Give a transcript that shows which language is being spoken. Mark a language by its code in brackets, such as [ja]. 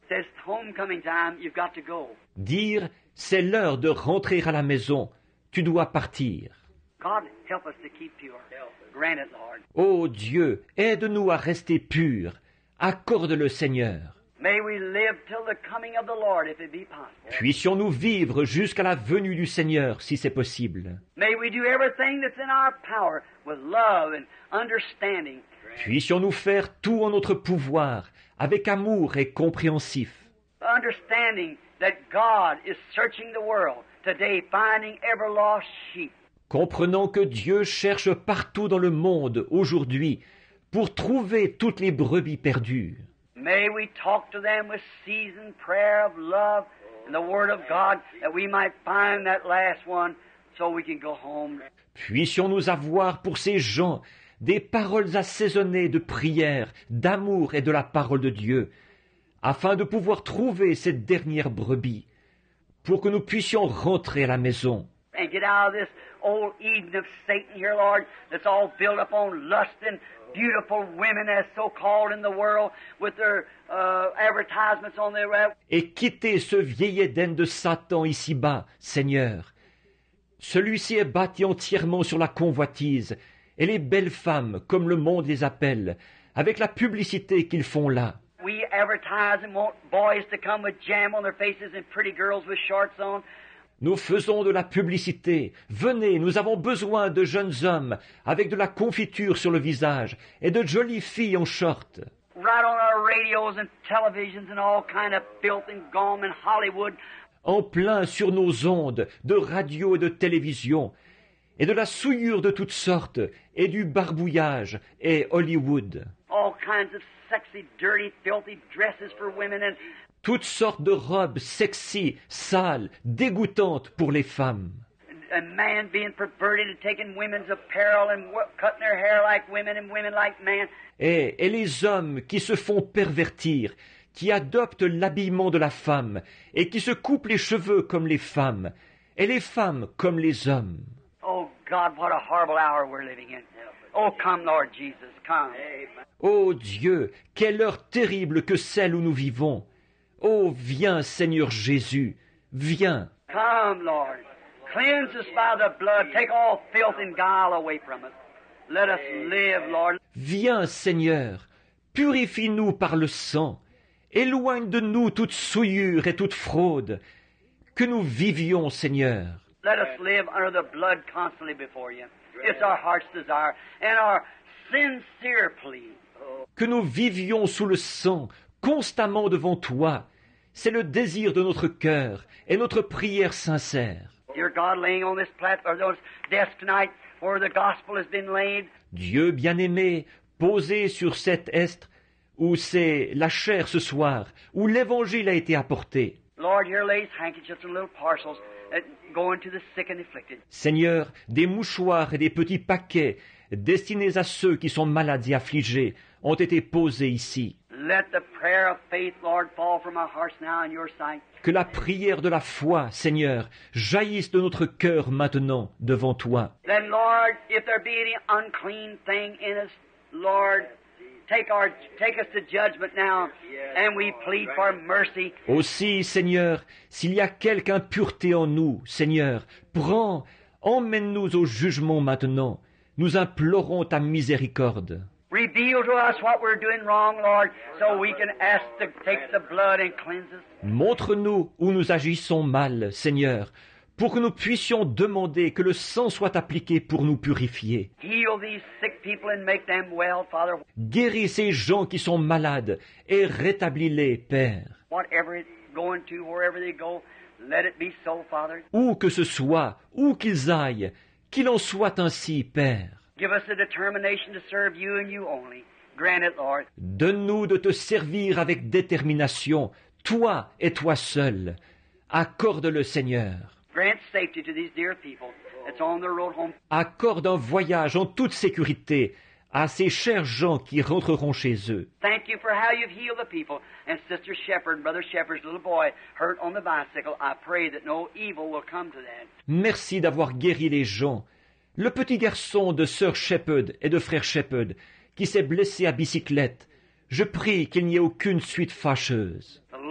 [en] Says homecoming time, you've got to go. [fr] Dire, c'est l'heure de rentrer à la maison. Tu dois partir. [en] God, help us to keep pure. Grant it, Lord. [fr] Oh Dieu, aide-nous à rester purs. Accorde-le, Seigneur. [en] May we live till the coming of the Lord, if it be possible. [fr] Puissions-nous vivre jusqu'à la venue du Seigneur, si c'est possible. [en] May we do everything that's in our power with love and understanding. [fr] Puissions-nous faire tout en notre pouvoir, avec amour et compréhensif. [en] Understanding that God is searching the world today, finding ever lost sheep. [fr] Comprenant que Dieu cherche partout dans le monde aujourd'hui pour trouver toutes les brebis perdues. [en] May we talk to them with seasoned prayer of love and the Word of God, that we might find that last one so we can go home. [fr] Puissions-nous avoir pour ces gens des paroles assaisonnées de prière, d'amour et de la parole de Dieu, afin de pouvoir trouver cette dernière brebis, pour que nous puissions rentrer à la maison. [en] And get out of this old Eden of Satan here, Lord, that's all built upon lust and beautiful women, as so called in the world, with their advertisements on their web. [fr] Et quitter ce vieil Éden de Satan ici-bas, Seigneur. Celui-ci est bâti entièrement sur la convoitise et les belles femmes, comme le monde les appelle, avec la publicité qu'ils font là. [en] We advertise and want boys to come with jam on their faces and pretty girls with shorts on. [fr] Nous faisons de la publicité. Venez, nous avons besoin de jeunes hommes avec de la confiture sur le visage et de jolies filles en short. [en] Right on our radios and televisions and all kind of filth and gum and Hollywood. [fr] En plein sur nos ondes de radio et de télévision et de la souillure de toutes sortes et du barbouillage et Hollywood. [en] All kinds of sexy, dirty, filthy dresses for women and... [fr] Toutes sortes de robes sexy, sales, dégoûtantes pour les femmes. [en] A man being perverted and taking women's apparel and cutting their hair like women and women like men. [fr] Et les hommes qui se font pervertir, qui adoptent l'habillement de la femme et qui se coupent les cheveux comme les femmes et les femmes comme les hommes. [en] Oh God, what a horrible hour we're living in. Oh come, Lord Jesus, come. Amen. [fr] Oh Dieu, quelle heure terrible que celle où nous vivons. Oh, viens, Seigneur Jésus, viens. [en] Come, Lord. Cleanse us by the blood. Take all filth and guile away from us. Let us live, Lord. [fr] Viens, Seigneur. Purifie-nous par le sang. Éloigne de nous toute souillure et toute fraude. Que nous vivions, Seigneur. [en] Let us live under the blood constantly before you. It's our heart's desire and our sincere plea. [fr] Que nous vivions sous le sang, constamment devant toi. C'est le désir de notre cœur et notre prière sincère. [en] Dear God, laying on this platform, this desk tonight, where the gospel has been laid. [fr] Dieu bien-aimé, posé sur cet estre où c'est la chair ce soir, où l'évangile a été apporté. [en] Lord, here lays handkerchiefs and little parcels going to the sick and afflicted. [fr] Seigneur, des mouchoirs et des petits paquets destinés à ceux qui sont malades et affligés ont été posés ici. [en] Let the prayer of faith, Lord, fall from our hearts now in your sight. [fr] Que la prière de la foi, Seigneur, jaillisse de notre cœur maintenant devant toi. [en] Then, Lord, if there be any unclean thing in us, Lord, take us to judgment now, and we plead for mercy. [fr] Aussi, Seigneur, s'il y a quelque impureté en nous, Seigneur, prends, emmène-nous au jugement maintenant. Nous implorons ta miséricorde. [en] Reveal to us what we're doing wrong, Lord, so we can ask to take the blood and cleanse us. [fr] Montre-nous où nous agissons mal, Seigneur, pour que nous puissions demander que le sang soit appliqué pour nous purifier. [en] Heal these sick people and make them well, Father. [fr] Guéris ces gens qui sont malades et rétablis-les, Père. [en] Whatever it's going to, wherever they go, let it be so, Father. [fr] Où que ce soit, où qu'ils aillent, qu'il en soit ainsi, Père. [en] Give us a determination to serve you and you only. Grant it, Lord. [fr] Donne-nous de te servir avec détermination, toi et toi seul. Accorde-le, Seigneur. [en] Grant safety to these dear people that's on their road home. [fr] Accorde un voyage en toute sécurité à ces chers gens qui rentreront chez eux. [en] Thank you for how you've healed the people and Sister Shepherd, Brother Shepherd's little boy hurt on the bicycle. I pray that no evil will come to them. [fr] Merci d'avoir guéri les gens. Le petit garçon de Sœur Shepherd et de Frère Shepherd qui s'est blessé à bicyclette, je prie qu'il n'y ait aucune suite fâcheuse.